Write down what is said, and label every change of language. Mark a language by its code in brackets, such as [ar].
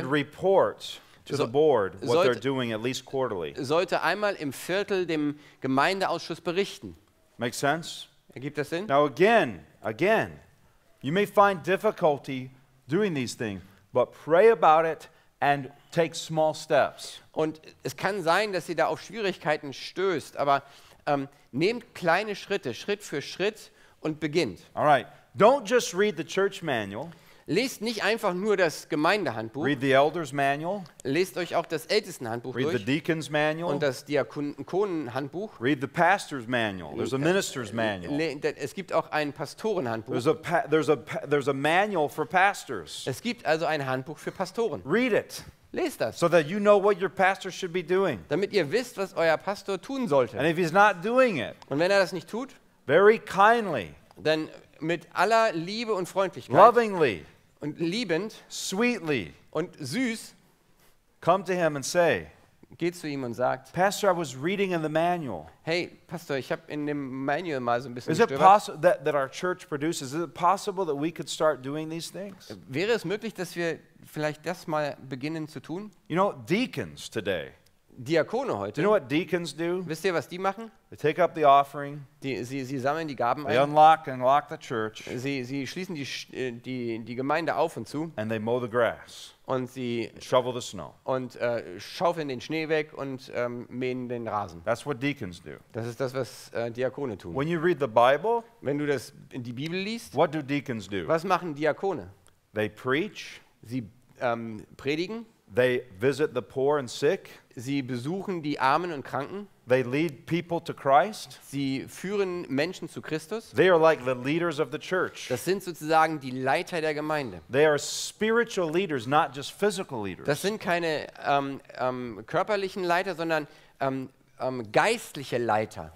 [en] should report to the board what they're doing at least quarterly. [de] Sollte einmal im Viertel dem Gemeindeausschuss berichten. [en] Makes sense? [de] Ergibt das Sinn? [en] Now again, you may find difficulty doing these things, but pray about it and take small steps. [de] Und es kann sein, dass ihr da auf Schwierigkeiten stößt, aber nehmt kleine Schritte, Schritt für Schritt und beginnt. [en] All right. Don't just read the church manual. [de] Lest nicht einfach nur das Gemeindehandbuch. [en] Read the elders manual. [de] Lest euch auch das Ältestenhandbuch [en] read [de] durch. [en] Read the deacons manual. [de] Und das Diakonenhandbuch. [en] Read the pastors manual. There's a ministers manual. [de] Es gibt auch ein Pastorenhandbuch. [en] There's a manual for pastors. [de] Es gibt also ein Handbuch für Pastoren. [en] Read it. [de] Lest das. [en] So that you know what your pastor should be doing. [de] Damit ihr wisst, was euer Pastor tun sollte. [en] And if he's not doing it. [de] Und wenn er das nicht tut? [en] Very kindly. [de] Dann mit aller Liebe und Freundlichkeit. [en] Lovingly. [de] Und liebend. [en] Sweetly. [de] Und süß. [en] Come to him and say. [de] Geht zu ihm und sagt. [en] Pastor, I was reading in the manual. [de] Hey, Pastor, ich habe in dem Manual mal so ein bisschen gestöbert. [en] Is it possible that our church produces? Is it possible that we could start doing these things? [de] Wäre es möglich, dass wir vielleicht das mal beginnen zu tun? [en] You know, deacons today. [de] Diakone heute. [en] You know what deacons do? [de] Wisst ihr, was die machen? [en] They take up the offering. [de] Sie sammeln die Gaben [en] they [de] ein. [en] Unlock and lock the church. [de] Sie schließen die Gemeinde auf und zu. [en] And they mow the grass. [de] Und sie [en] shovel the snow. [de] Und schaufeln den Schnee weg und mähen den Rasen. [en] That's what deacons do. [de] Das ist das, was Diakone tun. [en] When you read the Bible, [de] wenn du das in die Bibel liest, [en] what do deacons do? [de] Was machen Diakone? [en] They preach. [de] Sie predigen. [en] They visit the poor and sick. [de] Sie besuchen die Armen und Kranken. [en] They lead people to Christ. [de] Sie führen Menschen zu Christus. [en] They are like the leaders of the church. [de] Das sind sozusagen die Leiter der Gemeinde. [en] They are spiritual leaders, not just physical leaders. [de] Das sind keine körperlichen Leiter, sondern geistliche Leiter.